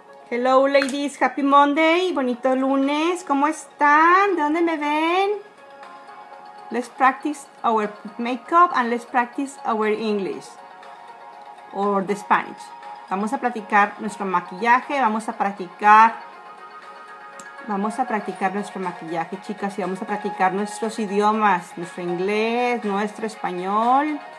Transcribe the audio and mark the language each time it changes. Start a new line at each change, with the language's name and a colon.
English: Hello ladies, happy Monday,
Spanish: bonito lunes, ¿cómo están? ¿De dónde me ven?
English: Let's practice our makeup and let's practice our English or the Spanish.
Spanish: Vamos a practicar nuestro maquillaje, vamos a practicar nuestro maquillaje, chicas, y vamos a practicar nuestros idiomas, nuestro inglés, nuestro español.